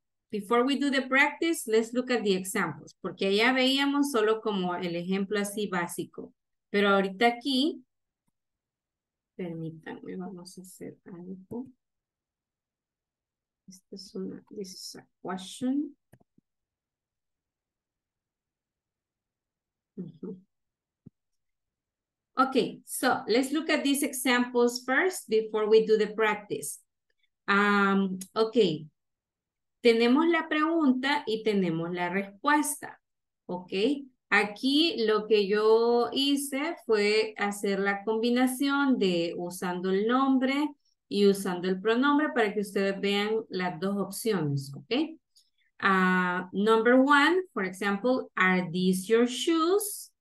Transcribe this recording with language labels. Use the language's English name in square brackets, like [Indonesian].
[English] Before we do the practice, let's look at the examples. [Spanish] Porque allá veíamos solo como el ejemplo así básico. Pero ahorita aquí, permítanme, vamos a hacer algo. Esta es una, [English] this is a question. Okay, so let's look at these examples first before we do the practice. [Spanish] Okay, tenemos la pregunta y tenemos la respuesta. Okay, aquí lo que yo hice fue hacer la combinación de usando el nombre y usando el pronombre para que ustedes vean las dos opciones. Okay. [English] Number one, for example, are these your shoes?